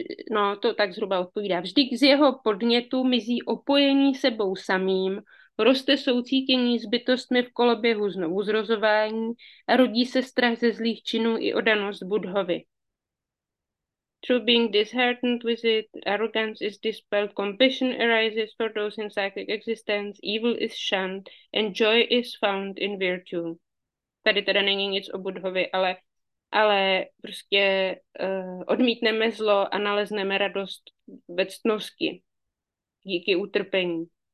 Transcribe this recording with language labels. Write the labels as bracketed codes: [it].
[cs] No, to tak zhruba odpovídá. Vždyť z jeho podnětu mizí opojení sebou samým, roste soucítění s bytostmi v koloběhu znovuzrozování a rodí se strach ze zlých činů i oddanost Buddhovi. [en] Through being disheartened with it, arrogance is dispelled, compassion arises for those in psychic existence, evil is shunned, and joy is found in virtue. [cs] Tady teda není nic o Buddhovi, ale prostě odmítneme zlo a nalezneme radost ve ctnosti díky utrpení.